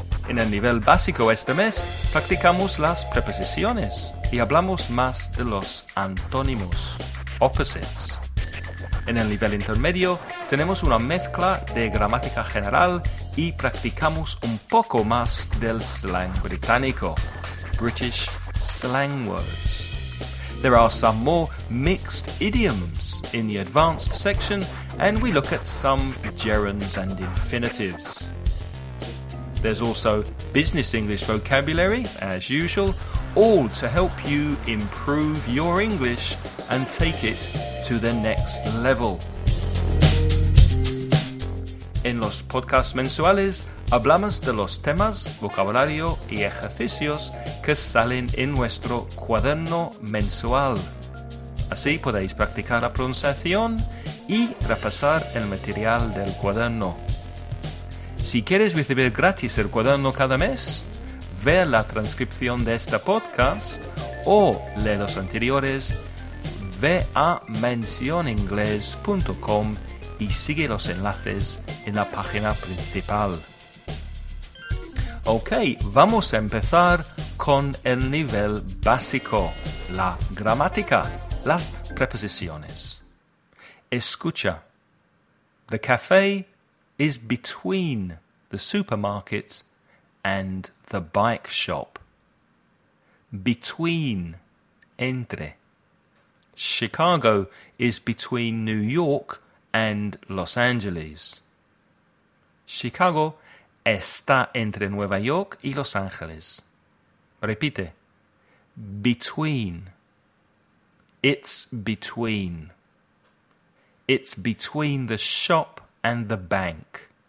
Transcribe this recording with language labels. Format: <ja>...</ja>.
<es>En el nivel básico este mes, practicamos las preposiciones y hablamos más de los antónimos, opposites. En el nivel intermedio, tenemos una mezcla de gramática general y practicamos un poco más del slang británico,</es> <en>British slang words. There are some more mixed idioms in the advanced section, and we look at some gerunds and infinitives. There's also business English vocabulary, as usual, all to help you improve your English and take it to the next level.</en> <es>En los podcasts mensuales, hablamos de los temas, vocabulario y ejercicios que salen en nuestro cuaderno mensual. Así podéis practicar la pronunciación y repasar el material del cuaderno. Si quieres recibir gratis el cuaderno cada mes, ve la transcripción de este podcast o lee los anteriores, ve a mencioningles.com y sigue los enlaces en la página principal. Ok, vamos a empezar con el nivel básico, la gramática, las preposiciones. Escucha.</es> <en>The café is between the supermarket and the bike shop. Between, entre. Chicago is between New York and Los Angeles.</en> <es>Chicago está entre Nueva York y Los Ángeles. Repite.</es> <en>Between. It's between. It's between the shop and the bank.</en>